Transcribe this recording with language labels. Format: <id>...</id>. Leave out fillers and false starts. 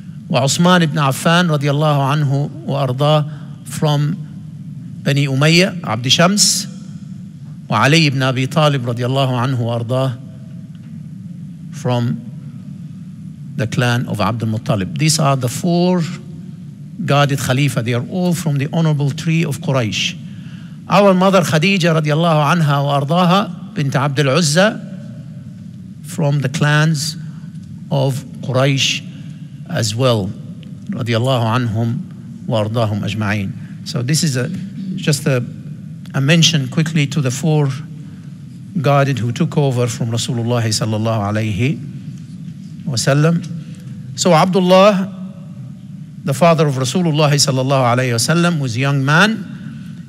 <ar>وعثمان بن عفان رضي الله عنه وأرضاه from بني أمية عبد شمس وعلي بن أبي طالب رضي الله عنه وأرضاه</ar> <en>from the clan of</en> <ar>عبد المطلب.</ar> <en>These are the four guarded Khalifa. They are all from the honorable tree of Quraysh. Our mother Khadija</en> <ar>رضي الله عنها وأرضاها</ar> <en>بنت عبد العزة from the clans of Quraysh as well.</en> <ar>رضي الله عنهم وأرضاهم أجمعين.</ar> <en>So this is just a mention quickly to the four guarded who took over from Rasulullah</en> <ar>صلى الله عليه وسلم.</ar> <en>So Abdullah, the father of Rasulullah</en> <ar>صلى الله عليه وسلم,</ar> <en>was a young man.</en>